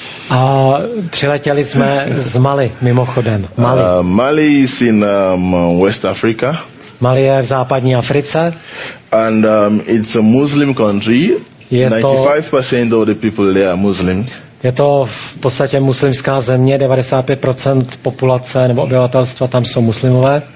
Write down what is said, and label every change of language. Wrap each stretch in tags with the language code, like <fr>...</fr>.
<cs>A přiletěli jsme z Mali, mimochodem. Mali.</cs> <en>Mali is in West Africa.</en> <cs>Mali je v západní Africe.</cs> <en>And it's a Muslim country.</en> <cs>Je</cs> <en>95%</en> <cs>to,</cs> <en>of the people there are Muslims.</en> <cs>Je to v podstatě muslimská země, 95% populace nebo obyvatelstva tam jsou muslimové.</cs>